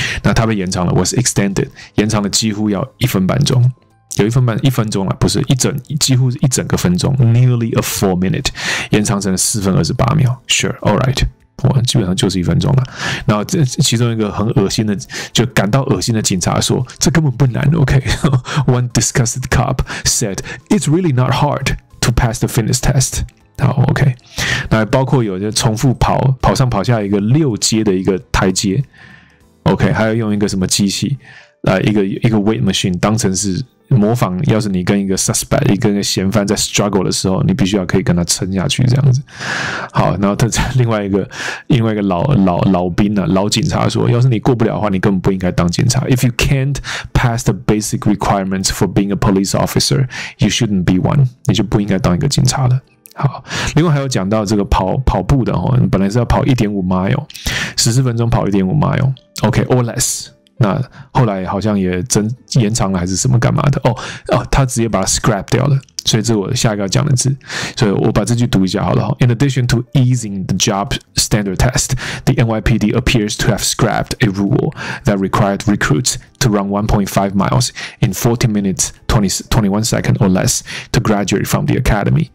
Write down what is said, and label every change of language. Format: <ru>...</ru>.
<zh>那它被延长了 ，</zh> <en>was extended，</en> <zh>延长了几乎要一分半钟。有一分半一分钟了，不是一整几乎是一整个分钟 ，</zh> <en>nearly a 4 minute，</en> <zh>延长成了4分28秒。</zh> <en>Sure，all right，</en> <zh>我基本上就是一分钟了。然后这其中一个很恶心的，就感到恶心的警察说：“这根本不难。</zh> <en>”OK，one disgusted cop said， "It's really not hard to pass the fitness test."</en> <zh>好 ，OK， 那包括有些重复跑上跑下一个六阶的一个台阶 ，OK， 还要用一个什么机器，一个 weight machine 当成是。模仿，要是你跟一个 suspect， 跟一个嫌犯在 struggle 的时候，你必须要可以跟他撑下去这样子。好，然后他在另外一个老兵啊，老警察说，要是你过不了的话，你根本不应该当警察。</zh> <en>If you can't pass the basic requirements for being a police officer, you shouldn't be one。</en> <zh>你就不应该当一个警察了。好，另外还有讲到这个跑步的哦，你本来是要跑 1.5 mile， 14分钟跑 1.5 mile，</zh> <en>OK or less。</en> <zh>那后来好像也延长了还是什么干嘛的他直接把它 scrap 掉了，所以这是我下一个要讲的字，所以我把这句读一下好了。</zh> <en>In addition to easing the job standard test, the NYPD appears to have scrapped a rule that required recruits to run 1.5 miles in 40 minutes 21 seconds or less to graduate from the academy.</en>